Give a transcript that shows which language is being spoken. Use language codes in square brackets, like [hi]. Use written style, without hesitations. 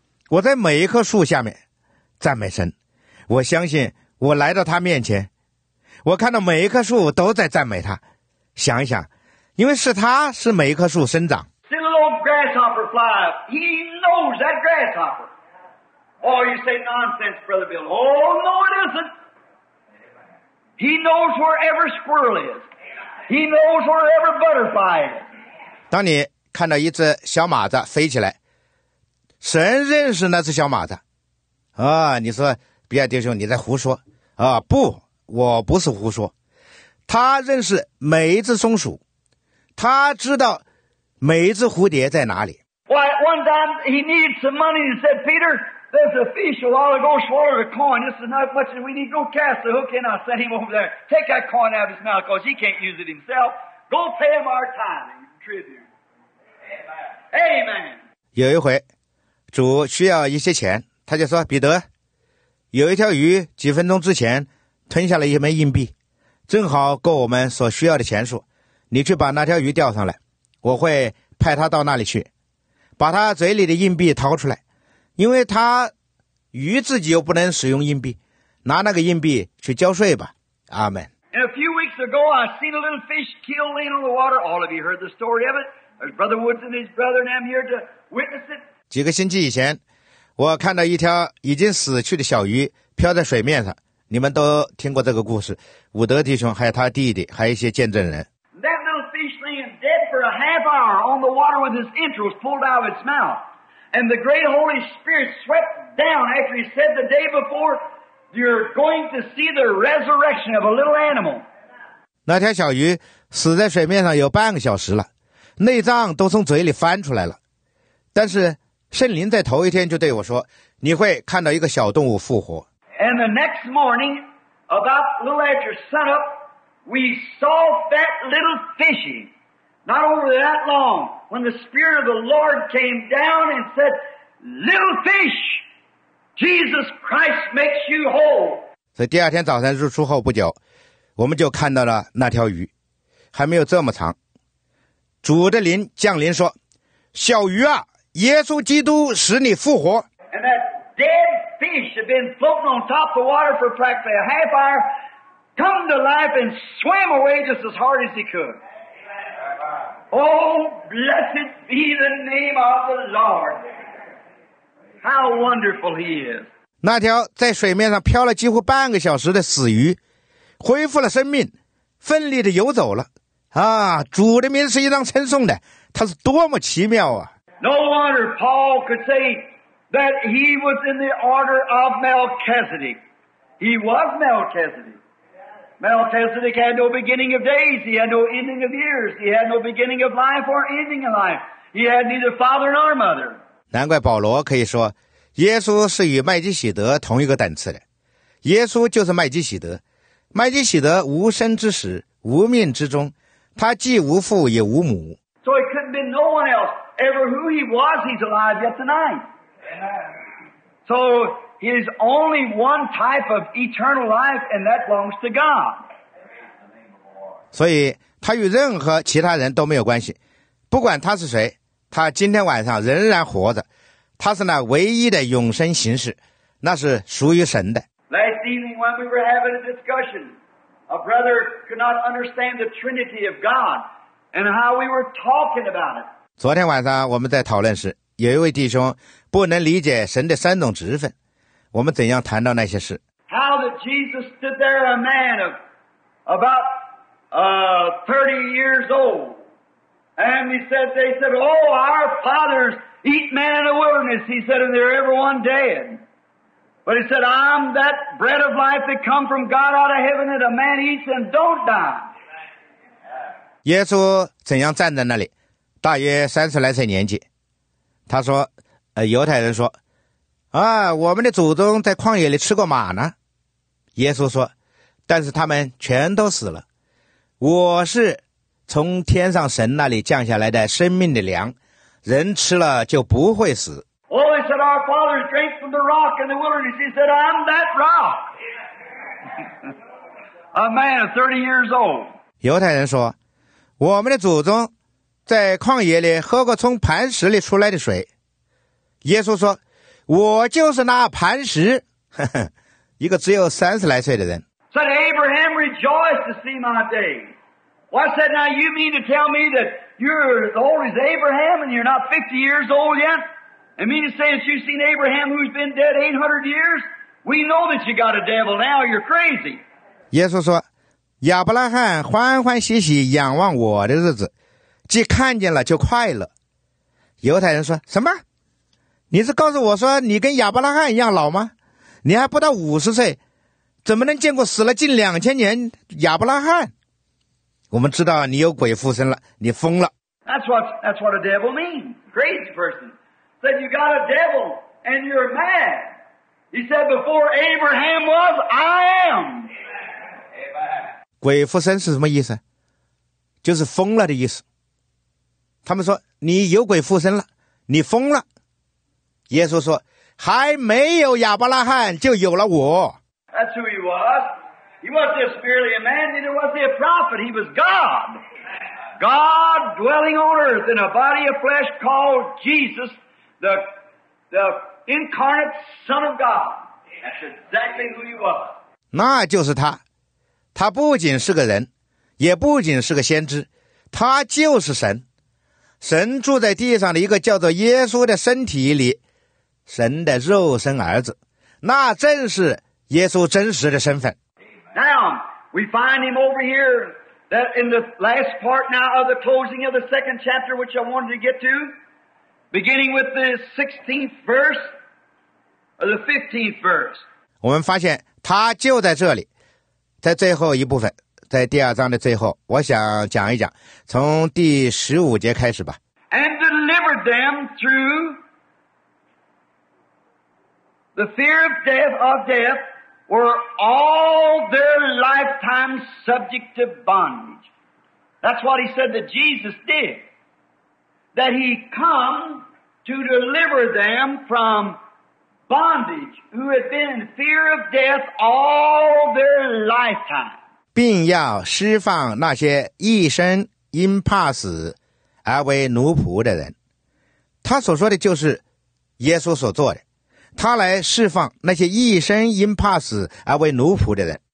[zh] 我在每一棵树下面赞美神。我相信我来到他面前，我看到每一棵树都在赞美他。想一想，因为是他是每一棵树生长。 [en] See the little grasshopper fly up. He knows that grasshopper. Oh, you say nonsense, Brother Bill. Oh, no, it isn't. He knows where every squirrel is. He knows where every butterfly is. [zh] 当你看到一只小马子飞起来，神认识那只小马子。啊，你说比尔弟兄你在胡说啊？不，我不是胡说，他认识每一只松鼠，他知道每一只蝴蝶在哪里。 [en] Why, one time he needed some money and said, Peter, there's a fish a while ago swallowed a coin. This is not much and we need to go cast the hook in. I'll send him over there. Take that coin out of his mouth because he can't use it himself. Go pay him our time and contribute. Amen. Amen. [zh] 有一回主需要一些钱，他就说，彼得，有一条鱼几分钟之前吞下了一枚硬币，正好够我们所需要的钱数，你去把那条鱼钓上来，我会派他到那里去把他嘴里的硬币掏出来，因为他鱼自己又不能使用硬币，拿那个硬币去交税吧。阿们。 [en] And a few weeks ago I seen a little fish kill laying on the water. All of you heard the story of it. There's Brother Woods and his brother and I'm here to witness it. [zh] 几个星期以前我看到一条已经死去的小鱼飘在水面上，你们都听过这个故事，伍德弟兄还有他弟弟还有一些见证人。 [en] That little fish lay dead for a half hour on the water with his entrails pulled out of its mouth. And the great Holy Spirit swept down after he said the day before, you're going to see the resurrection of a little animal. [zh] 那条小鱼死在水面上有半个小时了，内脏都从嘴里翻出来了。但是圣灵在头一天就对我说，你会看到一个小动物复活。 [en] And the next morning, about a little after sunup, we saw that little fishy, not over that long, when the Spirit of the Lord came down and said, little fish, Jesus Christ makes you whole. [zh] 所以第二天早晨日出后不久，我们就看到了那条鱼，还没有这么长。主的灵降临说，小鱼啊，耶稣基督使你复活。 [en] And that dead fish had been floating on top of the water for practically a half hour, come to life and swam away just as hard as he could. Oh, blessed be the name of the Lord. How wonderful he is. [zh] 那条在水面上漂了几乎半个小时的死鱼恢复了生命，奋力地游走了。啊，主的名是应当称颂的，他是多么奇妙啊。 [en] No wonder Paul could say that he was in the order of Melchizedek. He was Melchizedek. Melchizedek had no beginning of days. He had no ending of years. He had no beginning of life or ending of life. He had neither father nor mother. [zh] 难怪保罗可以说，耶稣是与麦基洗德同一个等次的。耶稣就是麦基洗德。麦基洗德无生之始，无命之中，他既无父也无母。 [en] So it couldn't be no one else. Ever who he was, he's alive yet tonight. So he's only one type of eternal life, and that belongs to God. [zh] 所以他与任何其他人都没有关系，不管他是谁，他今天晚上仍然活着，他是那唯一的永生形式，那是属于神的。 [en] Last evening when we were having a discussion, a brother could not understand the Trinity of God and how we were talking about it. [zh] 昨天晚上我们在讨论时，有一位弟兄不能理解神的三种职分，我们怎样谈到那些事。 [en] How that Jesus stood there a man of about 30 years old. And they said, oh, our fathers eat man in the wilderness. He said, and they're everyone dead. But he said, I'm that bread of life that come from God out of heaven that a man eats and don't die. [zh] 耶稣怎样站在那里？大约30来岁年纪，他说犹太人说啊，我们的祖宗在旷野里吃过马呢。耶稣说，但是他们全都死了，我是从天上神那里降下来的生命的粮，人吃了就不会死。 [en] Oh, he said, our fathers drank from the rock in the wilderness. He said, I'm that rock. A man of 30 years old. [zh] 犹太人说，我们的祖宗在旷野里喝过从磐石里出来的水。耶稣说，我就是那磐石。一个只有30来岁的人。 [en] Said Abraham rejoiced to see my day. Well, I said, now you mean to tell me that you're as old as Abraham and you're not 50 years old yet? I mean to say that you've seen Abraham who's been dead 800 years? We know that you got a devil now, you're crazy. [zh] 耶稣说，亚伯拉罕欢欢喜喜仰望我的日子，既看见了就快乐。犹太人说，什么？你是告诉我说你跟亚伯拉罕一样老吗？你还不到五十岁，怎么能见过死了近两千年亚伯拉罕？我们知道你有鬼附身了，你疯了。 [en] That's what a devil means. Crazy person said you got a devil and you're mad. He said before Abraham was, I am. [zh] 鬼附身是什么意思？就是疯了的意思。他们说你有鬼附身了，你疯了。耶稣说还没有亚伯拉罕就有了我。 [en] That's who he was. He wasn't just merely a man, neither was he a prophet. He was God. God dwelling on earth in a body of flesh called Jesus, the incarnate Son of God. That's exactly who he was. [zh] 那就是他。他不仅是个人，也不仅是个先知，他就是神。神住在地上的一个叫做耶稣的身体里，神的肉身儿子，那正是耶稣真实的身份。 [en] Now, we find him over here that in the last part now of the closing of the second chapter, which I wanted to get to, beginning with the 16th verse or the 15th verse. [zh] 我们发现他就在这里，在最后一部分，在第二章的最后，我想讲一讲，从第十五节开始吧。 [en] And delivered them through the fear of death were all their lifetime subject to bondage. That's what he said that Jesus did. That he come to deliver them from bondage who had been in fear of death all their lifetime. [zh] 并要释放那些一生因怕死而为奴仆的人。他所说的就是耶稣所做的，他来释放那些一生因怕死而为奴仆的人。